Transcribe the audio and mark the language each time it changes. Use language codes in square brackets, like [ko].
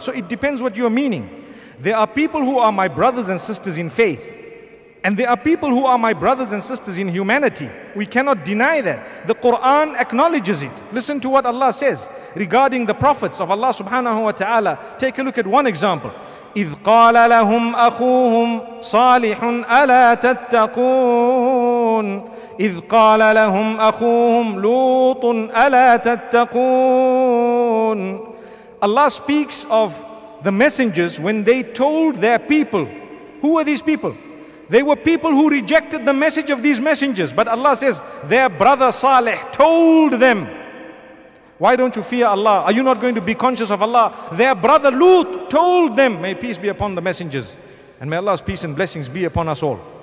[en] So it depends what you're meaning. There are people who are my brothers and sisters in faith, and there are people who are my brothers and sisters in humanity. We cannot deny that. The Quran acknowledges it. Listen to what Allah says regarding the prophets of Allah subhanahu wa ta'ala. Take a look at one example. [ar] إِذْ قَالَ لَهُمْ أَخُوهُمْ صَالِحٌ أَلَا تَتَّقُونَ إِذْ قَالَ لَهُمْ أَخُوهُمْ لُوطٌ أَلَا تَتَّقُونَ [en] Allah speaks of the messengers when they told their people. Who were these people? They were people who rejected the message of these messengers. But Allah says, their brother Salih told them. Why don't you fear Allah? Are you not going to be conscious of Allah? Their brother Lut told them, may peace be upon the messengers, and may Allah's peace and blessings be upon us all.